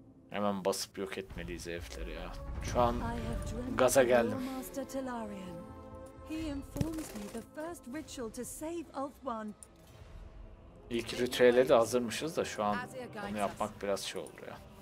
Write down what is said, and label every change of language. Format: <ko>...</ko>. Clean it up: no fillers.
<tr>Hemen basıp yok etmeliyiz evleri ya. Şu an gaza geldim. Master Talarian.</tr> <en>He informs me the first ritual to save Ulthuan.</en> <tr>İlk ritüele de hazırmışız da şu an onu yapmak biraz şey olur ya.</tr>